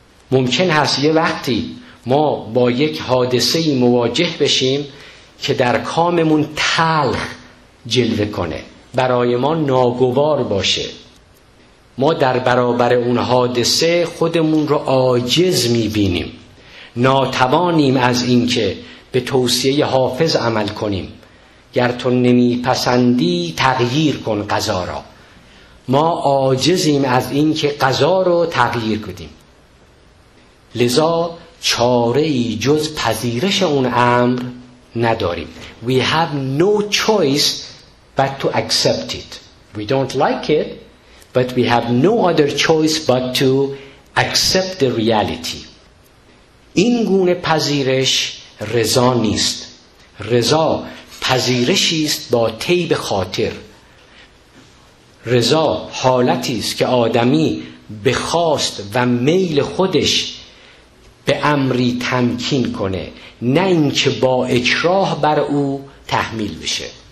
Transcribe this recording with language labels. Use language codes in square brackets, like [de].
[fa] ممکن هست یه وقتی ما با یک حادثه مواجه بشیم که در کاممون تلخ جلوه کنه، برای ما ناگوار باشه، ما در برابر اون حادثه خودمون رو عاجز میبینیم، ناتوانیم از این که به توصیه حافظ عمل کنیم، گر تو نمیپسندی تغییر کن قضا را. ما عاجزیم از این که قضا رو تغییر کنیم، لذا چاره ای جز پذیرش اون امر نداریم. [en] We have no choice but to accept it. We don't like it, but we have no other choice but to accept the reality. [fa] این گونه پذیرش رضا نیست. رضا پذیرشی است با طیب خاطر. رضا حالتی است که آدمی به خواست و میل خودش به امری تمکین کنه، نه اینکه با اکراه بر او تحمیل بشه.